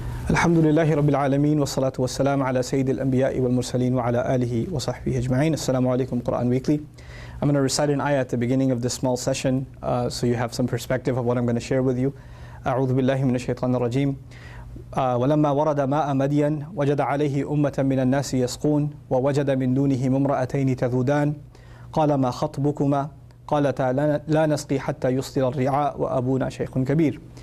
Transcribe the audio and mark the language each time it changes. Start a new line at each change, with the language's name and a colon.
Arabic: الحمد لله رب العالمين والصلاة والسلام على سيد الأنبياء والمرسلين وعلى آله وصحبه أجمعين. السلام عليكم. قرآن ويكلي.
English: I'm going to recite an ayah at the beginning of this small session so you have some perspective of what I'm going to share with you.
Arabic: أعوذ بالله من الشيطان الرجيم. ولما ورد ماء مدين وجد عليه أمة من الناس يسقون ووجد من دونه ممرأتين تذودان قال ما خطبكما قالتا لا نسقي حتى يصدر الرعاء وأبونا شيخ كبير.